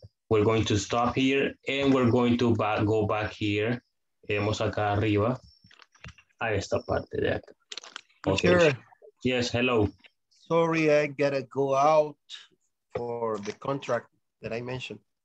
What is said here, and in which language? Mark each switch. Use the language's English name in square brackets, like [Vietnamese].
[English] We're going to stop here and we're going to go back here. [Spanish] Vemos acá arriba a esta parte de acá. [English] Okay. Sure. Yes, hello. Sorry, I gotta go out for the contract that I mentioned.